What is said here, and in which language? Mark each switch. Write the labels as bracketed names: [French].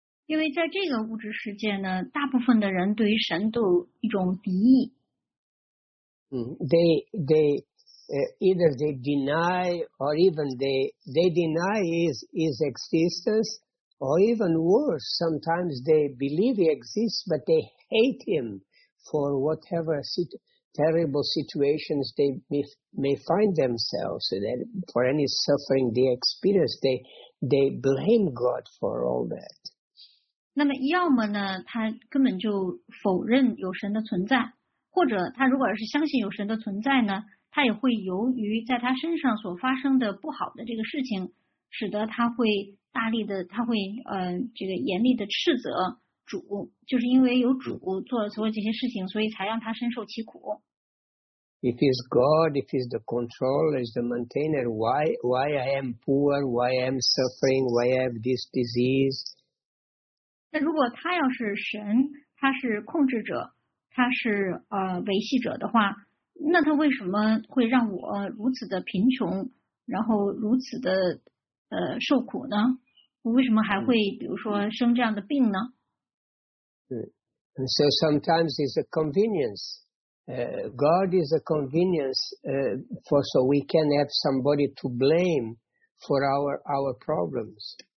[Chinese] 因为在这个物质世界呢，大部分的人对于神都一种敌意。 [English] Either they deny or even they deny his existence. Or even worse, sometimes they believe he exists, but they hate him for whatever terrible situations they may find themselves in, for any suffering they experience. They blame God for all that. [Chinese] 那么要么呢，他根本就否认有神的存在，或者他如果是相信有神的存在呢，他也会由于在他身上所发生的不好的这个事情，使得他会大力的，他会这个严厉的斥责主，就是因为有主做了所有这些事情，所以才让他深受其苦。 [English] If it's God, if it's the controller, is the maintainer, why I am poor, why I am suffering, why I have this disease? [Chinese] 那如果他要是神，他是控制者，他是维系者的话，那他为什么会让我如此的贫穷，然后如此的？受苦呢？为什么还会比如说生这样的病呢？ [English] And so sometimes it's a convenience. God is a convenience for so we can have somebody to blame for our problems.